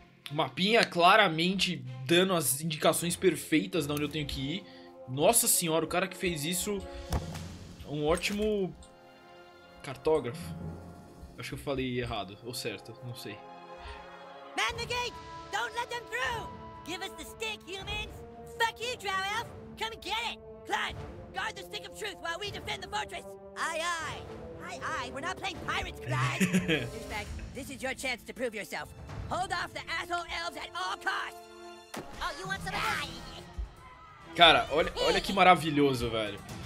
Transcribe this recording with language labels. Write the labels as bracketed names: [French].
[Portuguese] O mapinha claramente dando as indicações perfeitas de onde eu tenho que ir. Nossa senhora, o cara que fez isso, um ótimo cartógrafo. Acho que eu falei errado, ou certo, não sei. [English] Man the gate! Don't let them through! Give us the stick, humans! Fuck you, Drow Elf! Come and get it! Clyde, guard the stick of truth while we defend the fortress! Aye, aye! Aye, aye, we're not playing pirates, Clyde! Douchebag, this is your chance to prove yourself. Hold off the asshole elves at all costs! Oh, you want some help? [Portuguese] Cara, olha que maravilhoso, velho.